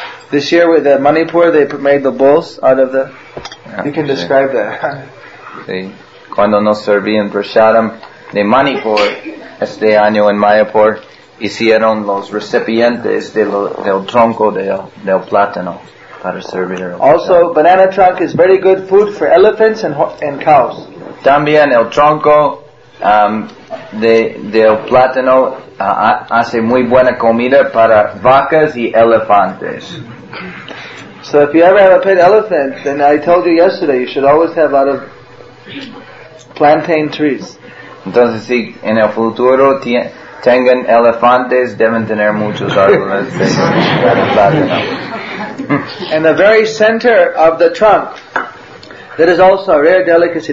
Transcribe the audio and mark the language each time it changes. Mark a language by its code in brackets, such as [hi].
[en] This year with the Manipur they made the bowls out of the. You can describe that. [es] Sí. Cuando nos servían prasadam de Manipur este año en Mayapur, hicieron los recipientes del tronco del plátano para servir. [en] Also, banana trunk is very good food for elephants and cows. [es] También el tronco del plátano hace muy buena comida para vacas y elefantes. [en] So if you ever have a pet elephant, then I told you yesterday, you should always have a lot of plantain trees. [es] Entonces si en el futuro tengan elefantes deben tener muchos árboles de plátano. [en] And the very center of the trunk, that is also a rare delicacy.